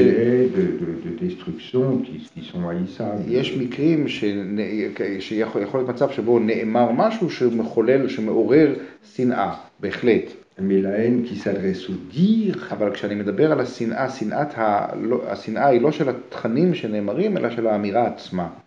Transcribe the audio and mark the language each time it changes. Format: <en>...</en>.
<fr>de destruction qui sont haïssables.</fr> <he>יש מקרים שיכול להיות מצב שבו נאמר משהו שמחולל, שמעורר שנאה, בהחלט.</he> <fr>Mais la haine qui s'adresse au dire.</fr> <he>אבל כשאני מדבר על השנאה, השנאה היא לא של התכנים שנאמרים, אלא של האמירה עצמה.</he>